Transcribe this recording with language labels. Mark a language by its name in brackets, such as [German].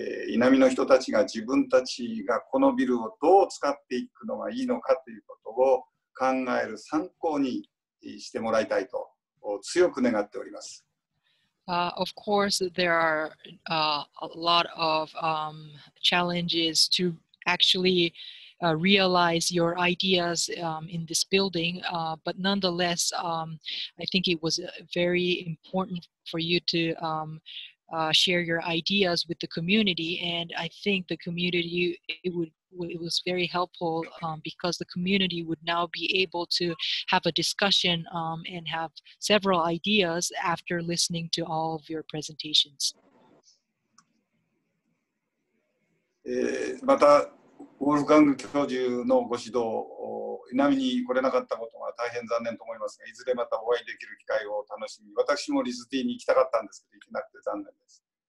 [Japanese] 稲見の人たちが自分たちがこのビルをどう使っていくのがいいのかということを考える参考にしてもらいたいと強く願っております。 [English] Of course, there are a lot of challenges to actually realize your ideas in this building. But nonetheless, I think it was very important for you to share your ideas with the community. And I think the community, it was very helpful because the community would now be able to have a discussion and have several ideas after listening to all of your presentations. [Japanese] また、ウォルフガング教授のご指導 Inami に来れなかったことが大変残念と思いますが、いずれまたお会いできる機会を楽しみ、私もRISD に行きたかったんですけど、行けなくて残念です。